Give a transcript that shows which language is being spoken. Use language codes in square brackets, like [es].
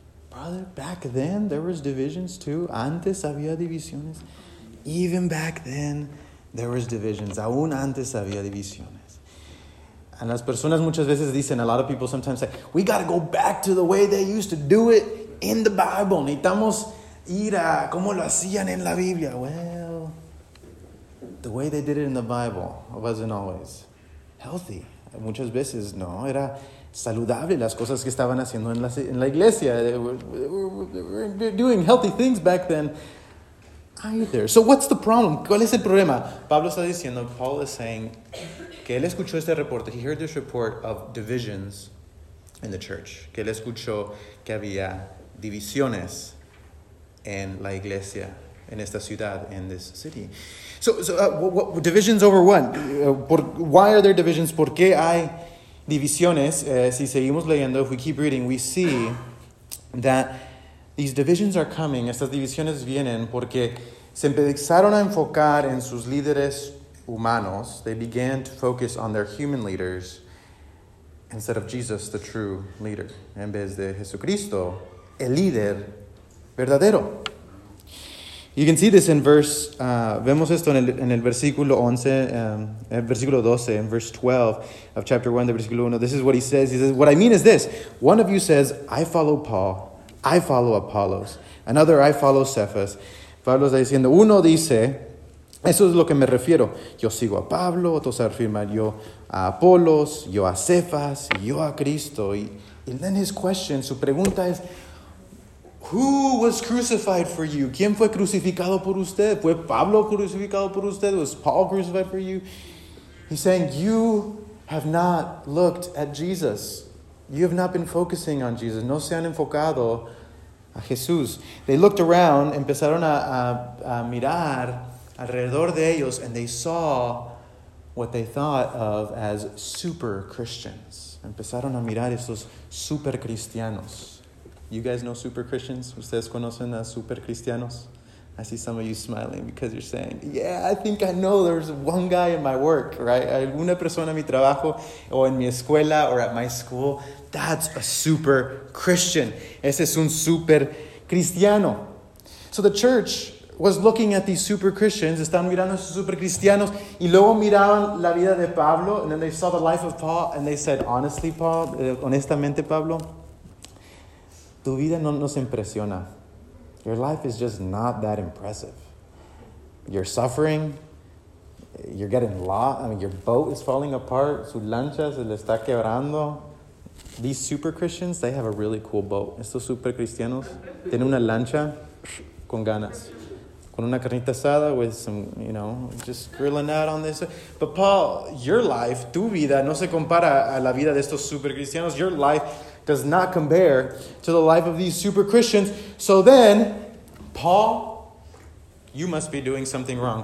[en] Brother, back then there was divisions too. [es] Antes había divisiones. [en] Even back then there was divisions. [es] Aún antes había divisiones. [en] And [es] las personas muchas veces dicen, [en] a lot of people sometimes say, we got to go back to the way they used to do it in the Bible. [es] Necesitamos ir a como lo hacían en la Biblia. [en] Well, the way they did it in the Bible wasn't always healthy. [es] Muchas veces, no, era saludable las cosas que estaban haciendo en la iglesia. [en] They were doing healthy things back then either. So what's the problem? [es] ¿Cuál es el problema? Pablo está diciendo, [en] Paul is saying, [es] que él escuchó este reporte, [en] he heard this report of divisions in the church. [es] Que él escuchó que había divisiones en la iglesia, en esta ciudad, [en] in this city. So, divisions over what? Why are there divisions? [es] ¿Por qué hay divisiones? Si seguimos leyendo, [en] if we keep reading, we see that these divisions are coming. [es] Estas divisiones vienen porque se empezaron a enfocar en sus líderes humanos. [en] They began to focus on their human leaders instead of Jesus, the true leader, [es] en vez de Jesucristo, el líder verdadero. [en] You can see this in verse, [es] vemos esto en el versículo 11, en versículo 12, [en] in verse 12 of chapter 1, [es] de versículo 1. [en] This is what he says, what I mean is this, one of you says, I follow Paul, I follow Apollos, another, I follow Cephas. [es] Pablo está diciendo, uno dice, eso es lo que me refiero. Yo sigo a Pablo, otros afirman yo a Apolos, yo a Cefas, yo a Cristo. Y [en] then his question, [es] su pregunta es, [en] Who was crucified for you? [es] ¿Quién fue crucificado por usted? ¿Fue Pablo crucificado por usted? [en] ¿Was Paul crucified for you? He's saying, you have not looked at Jesus. You have not been focusing on Jesus. [es] No se han enfocado a Jesús. [en] They looked around, [es] empezaron a mirar alrededor de ellos, [en] and they saw what they thought of as super Christians. [es] Empezaron a mirar esos super cristianos. [en] You guys know super Christians? [es] ¿Ustedes conocen a super cristianos? [en] I see some of you smiling because you're saying, yeah, I think I know there's one guy in my work, right? [es] Alguna persona en mi trabajo o en mi escuela [en] or at my school. That's a super Christian. [es] Ese es un super cristiano. [en] So the church was looking at these super Christians. [es] Están mirando a esos super cristianos. Y luego miraban la vida de Pablo. [en] And then they saw the life of Paul. And they said, honestly, Paul, [es] honestamente, Pablo, tu vida no nos impresiona. [en] Your life is just not that impressive. You're suffering. You're getting lost. I mean, your boat is falling apart. [es] Su lancha se le está quebrando. [en] These super Christians, they have a really cool boat. [es] Estos super cristianos tienen una lancha con ganas. Con una carnita asada [en] with some, you know, just grilling out on this. But Paul, your life, [es] tu vida, no se compara a la vida de estos super cristianos. [en] Your life does not compare to the life of these super Christians. So then, Paul, you must be doing something wrong.